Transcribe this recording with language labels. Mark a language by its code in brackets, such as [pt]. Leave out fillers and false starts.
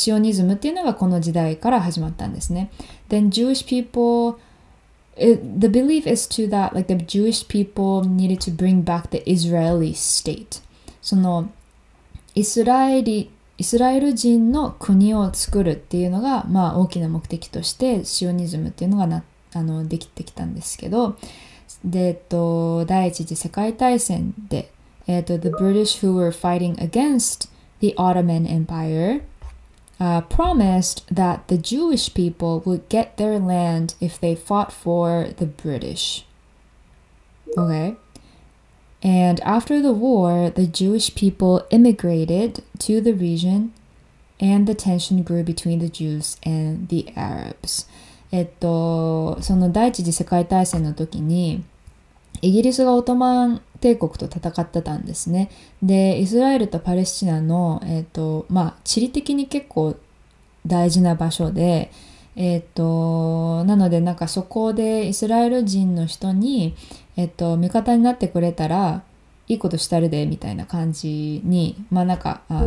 [ja] シオニズムっていうのがこの時代から始まったんですね。 [en] Then Jewish people, the belief is to that, like the Jewish people needed to bring back the Israeli state. [ja] そのイスラエル人の国を作るっていうのが、まあ、大きな目的としてシオニズムっていうのができてきたんですけど、で、第一次世界大戦で、 [en] The British who were fighting against the Ottoman Empire, promised that the Jewish people would get their land if they fought for the British. Okay? And after the war, the Jewish people immigrated to the region, and the tension grew between the Jews and the Arabs. [ja] その第一次世界大戦の時に、イギリスがオトマン帝国と戦ってたんですね。で、イスラエルとパレスチナの、まあ、地理的に結構大事な場所で、なのでなんかそこでイスラエル人の人に、味方になってくれたらいいことしたるでみたいな感じに、まあなんか